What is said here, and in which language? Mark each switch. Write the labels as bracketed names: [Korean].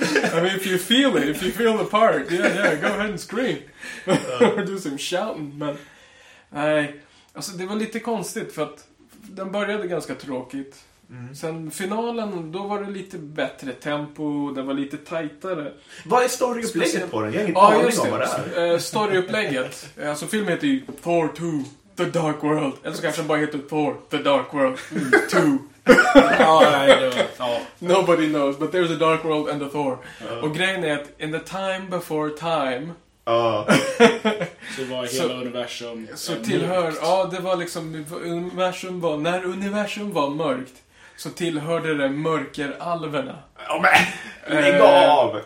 [English] I mean, if you feel it, if you feel the part, yeah, yeah, go ahead and scream. Or do some shouting. [Swedish] Men, nej, alltså det var lite konstigt för att den började ganska tråkigt. Mm. Sen finalen, då var det lite bättre tempo, det var lite tajtare. Vad är storyupplägget på den? Jag har ingen aning om vad det är. Storyupplägget, alltså filmen heter ju Thor 2, The Dark World. Eller så kanske den bara heter Thor, The Dark World 2. [English] Nobody knows, but there's a Dark World and a Thor. [Swedish] Och grejen är att [English] in the time before time... [Swedish] Så var hela universum så tillhör, mörkt. Ja, det var liksom, universum var, när universum var mörkt, så tillhörde det mörkeralverna. Ja, men! Lägg av!